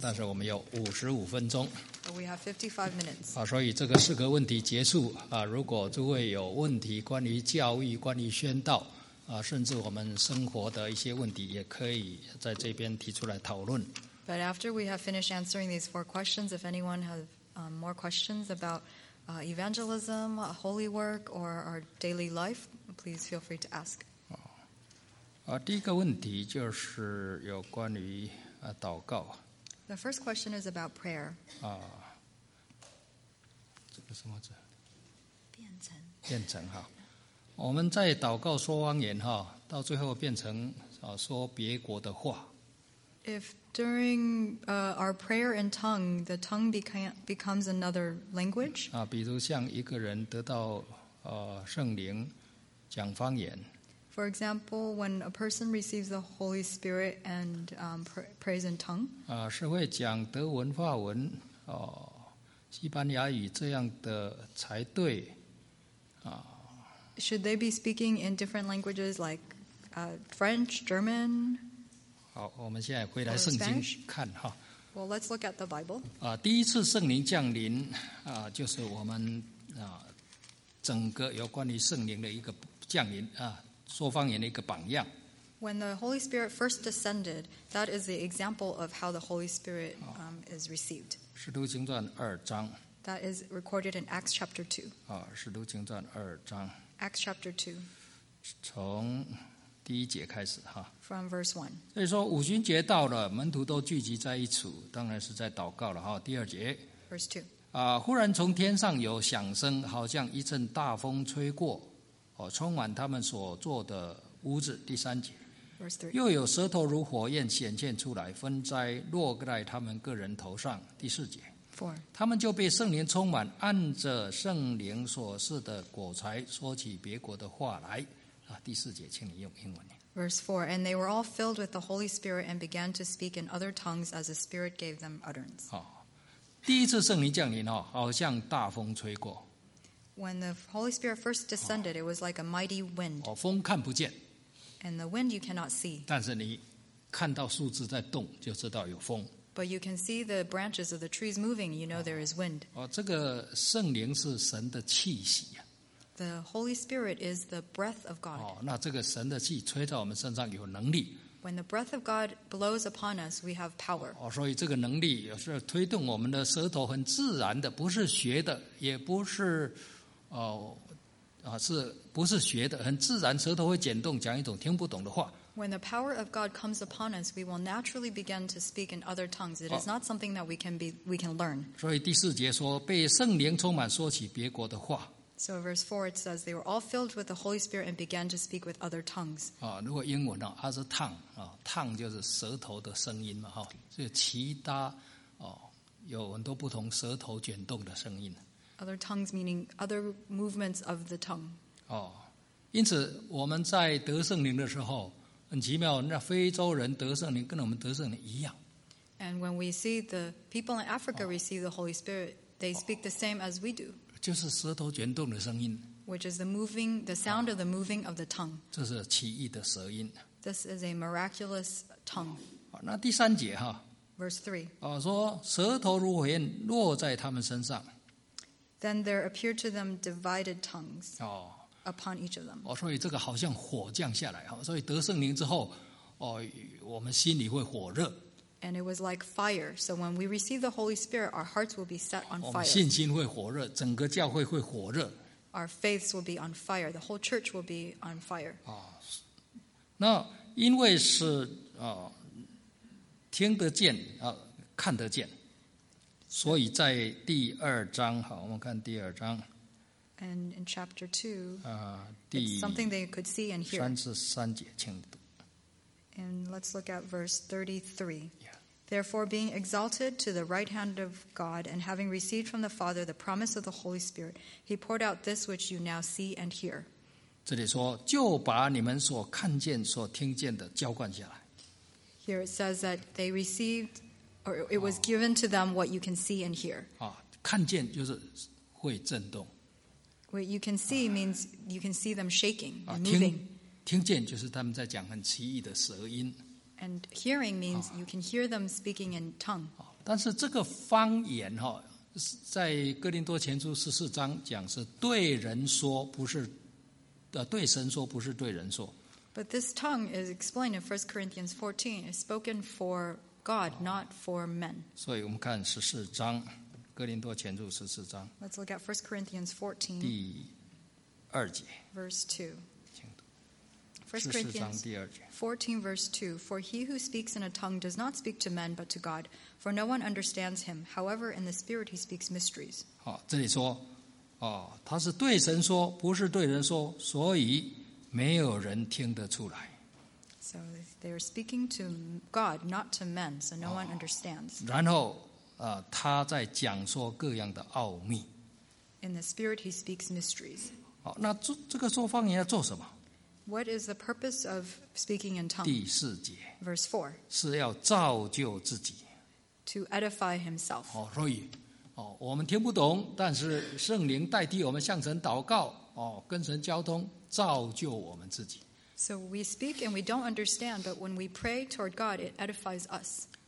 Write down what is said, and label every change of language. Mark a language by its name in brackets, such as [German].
[Chinese] 但是我们有五十五分钟。 [English] But we have 55 minutes. [Chinese] 好，所以这个四个问题结束啊。如果诸位有问题，关于教育、关于宣道啊，甚至我们生活的一些问题，也可以在这边提出来讨论。 [English] But after we have finished answering these four questions, if anyone have more questions about evangelism, holy work, or our daily life, please feel free to ask. [Chinese] 第一个问题就是有关于祷告。 [English] The first question is about prayer. [Chinese] 这个什么字？变成。变成哈，我们在祷告说方言哈，到最后变成说别国的话。 [English] If during our prayer in tongue, the tongue becomes another language. [Chinese] 比如像一个人得到圣灵，讲方言。 [English] For example, when a person receives the Holy Spirit and prays in tongue. [Chinese] 是会讲德文、法文、西班牙语这样的才对。 [English] Should they be speaking in different languages like French, German? [Chinese] 好，我们现在回来圣经看哈。 [English] Well, let's look at the Bible. [Chinese] 第一次圣灵降临就是我们整个有关于圣灵的一个降临说方言的一个榜样。 [English] When the Holy Spirit first descended, that is the example of how the Holy Spirit is received. [Chinese] 使徒行传二章。 [English] That is recorded in Acts chapter 2. [Chinese] 使徒行传二章。 [English] Acts chapter 2. [Chinese] 从第一节开始哈。 [English] From verse 1. [Chinese] 所以说五旬节到了，门徒都聚集在一处，当然是在祷告了哈。第二节。 [English] Verse 2. [Chinese] 忽然从天上有响声，好像一阵大风吹过。充满他们所坐的屋子。第三节。又有舌头如火焰显现出来，分灾落在他们个人头上。第四节。他们就被圣灵充满，按着圣灵所赐的果才说起别国的话来。第四节，请你用英文。 [English] Verse 4, and they were all filled with the Holy Spirit and began to speak in other tongues as the Spirit gave them utterance. [Chinese] 第一次圣灵降临，好像大风吹过。 [English] When the Holy Spirit first descended, it was like a mighty wind. [Chinese] 风看不见。 [English] And the wind you cannot see. [Chinese] 但是你看到树枝在动，就知道有风。 [English] But you can see the branches of the trees moving, you know there is wind. [Chinese] 这个圣灵是神的气息。 [English] The Holy Spirit is the breath of God. [Chinese] 那这个神的气吹在我们身上有能力。 [English] When the breath of God blows upon us, we have power. [Chinese] 所以这个能力是推动我们的舌头很自然的，不是学的，也不是是不是学的，很自然舌头会剪动讲一种听不懂的话。 [English] When the power of God comes upon us, we will naturally begin to speak in other tongues. It is not something that we can learn. [Chinese] 所以第四节说被圣灵充满说起别国的话。 [English] So verse 4 it says they were all filled with the Holy Spirit and began to speak with other tongues. [Chinese] 如果英文 [English] as a tongue, tongue [Chinese] 就是舌头的声音嘛，所以其他有很多不同舌头卷动的声音。 [English] Other tongues meaning other movements of the tongue. [Chinese] 因此我们在得圣灵的时候很奇妙，那非洲人得圣灵跟我们得圣灵一样。 [English] And when we see the people in Africa receive the Holy Spirit, they speak the same as we do. [Chinese] 就是舌头卷动的声音。 [English] Which is the moving, the sound of the moving of the tongue. [Chinese] 这是奇异的舌音。 [English] This is a miraculous tongue. [Chinese] 那第三节哈。 [English] Verse 3. [Chinese] 说舌头如火焰落在他们身上。 [English] Then there appeared to them divided tongues. Upon each of them. [Chinese] 所以这个好像火降下来，所以得圣灵之后，我们心里会火热。 [English] And it was like fire. So when we receive the Holy Spirit, our hearts will be set on fire. [Chinese] 信心会火热，整个教会会火热。 [English] Our faiths will be on fire. The whole church will be on fire. [Chinese] 那因为是听得见看得见，所以在第二章，好，我们看第二章。 [English] And in chapter 2, it's something they could see and hear. [Chinese] 33节，请读。 [English] And let's look at verse 33. Yeah. Therefore, being exalted to the right hand of God and having received from the Father the promise of the Holy Spirit, he poured out this which you now see and hear. [Chinese] 这里说，就把你们所看见、所听见的浇灌下来。 [English] Here it says that they received, or it was given to them what you can see and hear. [Chinese] 看见就是会震动。 [English] What you can see means you can see them shaking and moving. [Chinese] 听见就是他们在讲很奇异的舌音。 [English] And hearing means you can hear them speaking in tongue. [Chinese] 但是这个方言在哥林多前书十四章讲是对人说不是对神说不是对人说。 [English] But this tongue is explained in 1 Corinthians 14, is spoken for God, not for men. [Chinese] 所以我们看十四章，哥林多前书十四章。 [English] Let's look at 1 Corinthians 14. [Chinese] 第二节。 [English] Verse 2. 1 Corinthians 14 verse 2, For he who speaks in a tongue does not speak to men but to God, for no one understands him. However, in the spirit he speaks mysteries. [Chinese] 这里说，他是对神说，不是对人说，所以没有人听得出来。 [English] So they are speaking to God, not to men, so no one understands. [Chinese] 然后，他在讲说各样的奥秘。 [English] In the spirit he speaks mysteries. [Chinese] 那这个说方言要做什么？ [English] What is the purpose of speaking in tongues? [Chinese] 第四节 [English] Verse 4. [Chinese] 是要造就自己 [English] To edify himself. [Chinese] 所以我们听不懂，但是圣灵代替我们向神祷告，跟神交通，造就我们自己。 [English] So we speak and we don't understand, but when we pray toward God, it edifies us.